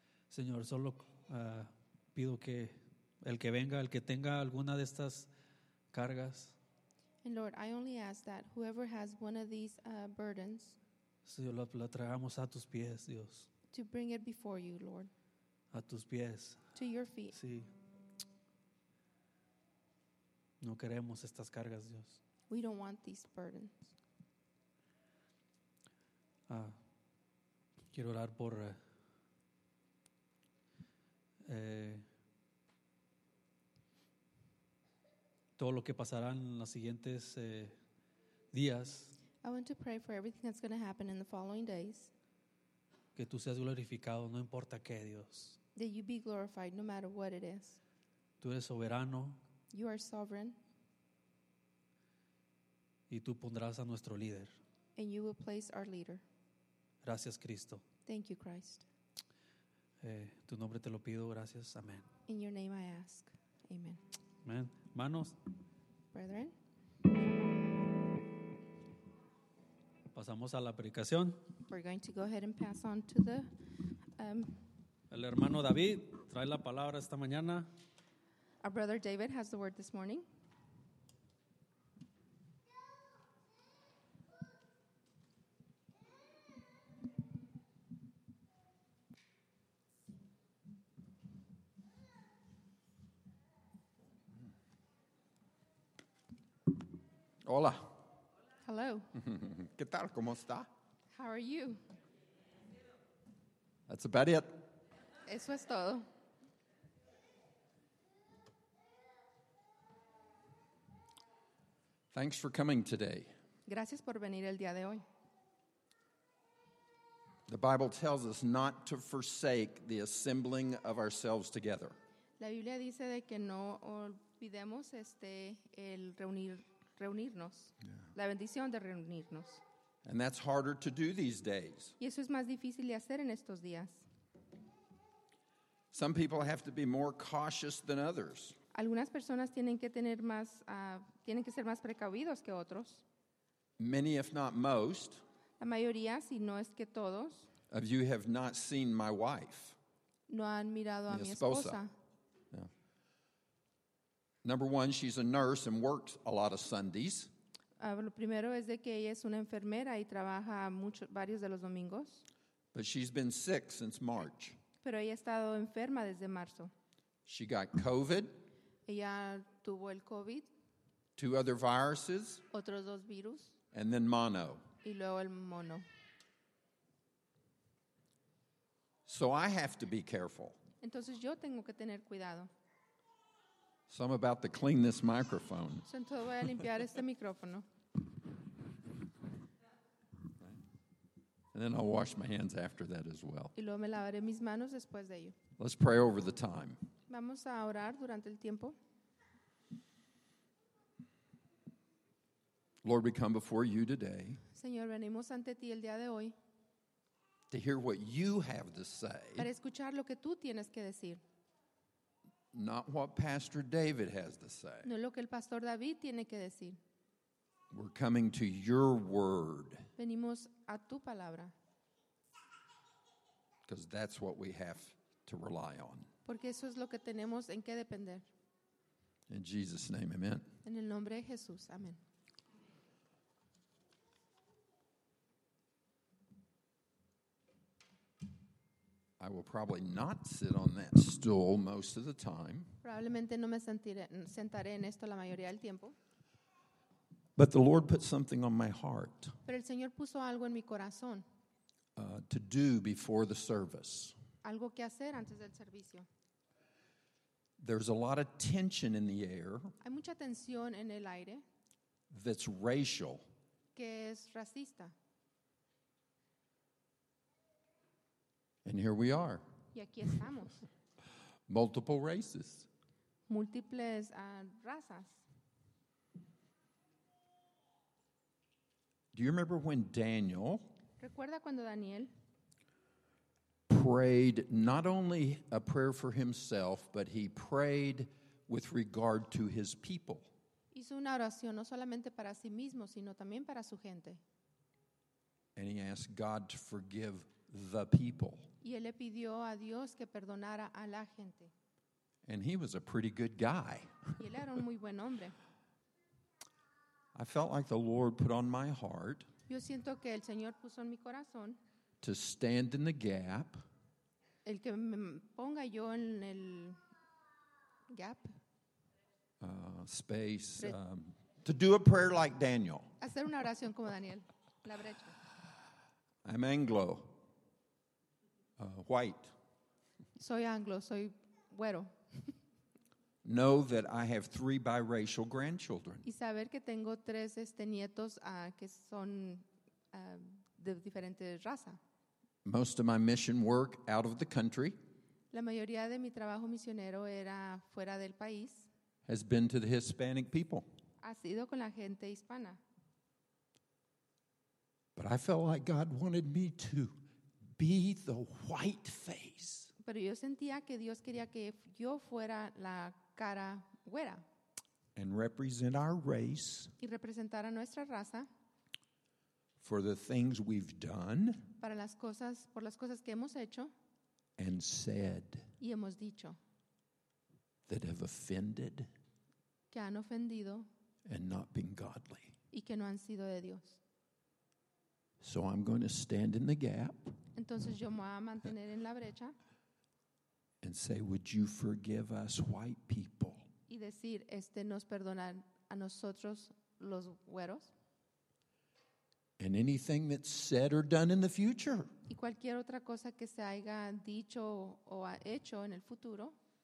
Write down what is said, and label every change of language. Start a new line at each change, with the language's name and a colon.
Spanish: Señor, solo pido que el que venga, el que tenga alguna de estas cargas.
English: And Lord, I only ask that whoever has one of these burdens.
Spanish: Señor, la traigamos a tus pies, Dios.
English: To bring it before you, Lord.
Spanish: A tus pies.
English: To your feet.
Spanish: Sí. No queremos estas cargas, Dios.
English: We don't want these burdens.
Spanish: Quiero orar por todo lo que pasará en los siguientes días.
English: I want to pray for everything that's going to happen in the following days.
Spanish: Que tú seas glorificado, no importa qué, Dios.
English: That you be glorified, no matter what it is.
Spanish: Tú eres soberano.
English: You are sovereign.
Spanish: Y tú pondrás a nuestro líder.
English: And you will place our leader.
Spanish: Gracias, Cristo.
English: Thank you, Christ.
Spanish: Tu nombre te lo pido, gracias. Amén.
English: In your name I ask. Amen.
Spanish: Amen. Manos.
English: Brethren.
Spanish: Pasamos a la predicación.
English: We're going to go ahead and pass on to the
Spanish: El hermano David trae la palabra esta mañana.
English: Our brother David has the word this morning.
Spanish: Hola.
English: Hello.
Spanish: ¿Qué tal? ¿Cómo está?
English: How are you? That's about it.
Spanish: Eso es todo.
English: Thanks for coming today.
Spanish: Gracias por venir el día de hoy.
English: The Bible tells us not to forsake the assembling of ourselves together.
Spanish: La Biblia dice de que no olvidemos el reunirnos. Yeah. La bendición de reunirnos.
English: And that's harder to do these days.
Spanish: Y eso es más difícil de hacer en estos días.
English: Some people have to be more cautious than others.
Spanish: Algunas personas tienen que tener más tienen que ser más precavidos que otros.
English: Many if not most.
Spanish: La mayoría, si no es que todos.
English: Of you have not seen my wife.
Spanish: No han mirado a mi esposa.
English: Number one, she's a nurse and works a lot of Sundays.
Spanish: Lo primero es de que ella es una enfermera y trabaja mucho, varios de los domingos.
English: But she's been sick since March.
Spanish: Pero ella ha estado enferma desde marzo.
English: She got COVID.
Spanish: Ella tuvo el COVID.
English: Two other viruses.
Spanish: Otros dos virus.
English: And then mono.
Spanish: Y luego el mono.
English: So I have to be careful.
Spanish: Entonces yo tengo que tener cuidado.
English: So I'm about to clean this microphone.
Spanish: Entonces voy a limpiar este micrófono.
English: And then I'll wash my hands after that as well.
Spanish: Y luego me lavaré mis manos después de ello.
English: Let's pray over the time.
Spanish: Vamos a orar durante el tiempo.
English: Lord, we come before you today.
Spanish: Señor, venimos ante ti el día de hoy.
English: To hear what you have to say.
Spanish: Para escuchar lo que tú tienes que decir.
English: Not what Pastor David has to say.
Spanish: No lo que el Pastor David tiene que decir.
English: We're coming to your word.
Spanish: Venimos a tu palabra.
English: Because that's what we have to rely on.
Spanish: Porque eso es lo que tenemos en qué depender.
English: In Jesus' name, amen.
Spanish: En el nombre de Jesús, amén.
English: I will probably not sit on that stool most of the time.
Spanish: Probablemente no me sentaré en esto la mayoría del tiempo.
English: But the Lord put something on my heart.
Spanish: Pero el Señor puso algo en mi corazón.
English: To do before the service.
Spanish: Algo que hacer antes del servicio.
English: There's a lot of tension in the air.
Spanish: Hay mucha tensión en el aire.
English: That's racial.
Spanish: Que es racista.
English: And here we are.
Spanish: Y aquí estamos.
English: Multiple races.
Spanish: Múltiples razas.
English: Do you remember when Daniel?
Spanish: ¿Recuerda cuando Daniel?
English: Prayed not only a prayer for himself, but he prayed with regard to his people.
Spanish: Hizo una oración no solamente para sí mismo, sino también para su gente.
English: And he asked God to forgive the people.
Spanish: Y él le pidió a Dios que perdonara a la gente.
English: And he was a pretty good guy.
Spanish: Y él era un muy buen hombre.
English: I felt like the Lord put on my heart.
Spanish: Yo siento que el Señor puso en mi corazón.
English: To stand in the gap.
Spanish: El que me ponga yo en el gap.
English: Space. To do a prayer like Daniel.
Spanish: Hacer una oración como Daniel. La brecha.
English: I'm Anglo. White.
Spanish: Soy Anglo. Soy güero.
English: Know that I have 3 biracial grandchildren.
Spanish: Y saber que tengo 3 nietos que son de diferente raza.
English: Most of my mission work out of the country.
Spanish: La mayoría de mi trabajo misionero era fuera del país.
English: Has been to the Hispanic people.
Spanish: Ha sido con la gente hispana.
English: But I felt like God wanted me to be the white face.
Spanish: Pero yo sentía que Dios quería que yo fuera la cara güera.
English: And represent our race.
Spanish: Y representar a nuestra raza.
English: For the things we've done.
Spanish: Para las cosas, por las cosas que hemos hecho.
English: And said.
Spanish: Y hemos dicho.
English: That have offended.
Spanish: Que han ofendido.
English: And not been godly.
Spanish: Y que no han sido de Dios.
English: So I'm going to stand in the gap.
Spanish: Entonces yo me voy a mantener en la brecha.
English: And say, would you forgive us white people?
Spanish: Y decir, nos perdonan a nosotros los güeros.
English: And anything that's said or done in the future.
Spanish: Y cualquier otra cosa que se haya dicho o hecho en el futuro.